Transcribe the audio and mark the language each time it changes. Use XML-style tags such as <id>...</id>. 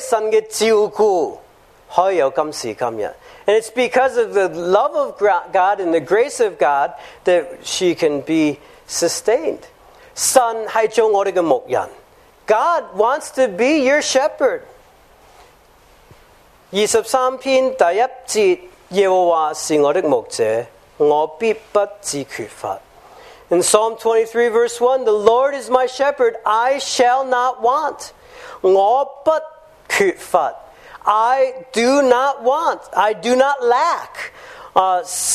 <zh>是因为神的恩典，因为神的照顾，可以有今时今日。</zh> <en>And it's because of the love of God and the grace of God that she can be sustained.</en> <zh>神是做我们的牧人。</zh> <en>God wants to be your shepherd.</en> <zh>23篇第一节， 耶和华是我的牧者，我必不致缺乏。</zh> <en>In Psalm 23 verse 1, the Lord is my shepherd, I shall not want.</en> <zh>我不缺乏，</zh> <en>I do not want, I do not lack.</en>